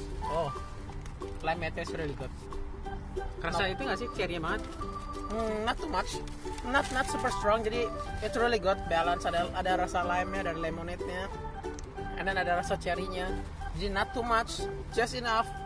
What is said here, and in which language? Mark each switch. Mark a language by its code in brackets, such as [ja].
[en] Oh. Lime tea is really good. [id] Kerasa no. Itu enggak sih cherry banget? [en] Not too much. Not super strong. Jadi it's really good balance. [id] Ada rasa lime-nya, ada lemonade-nya. [en] And then [id] ada rasa cherry-nya. [en] Jadi not too much, just enough.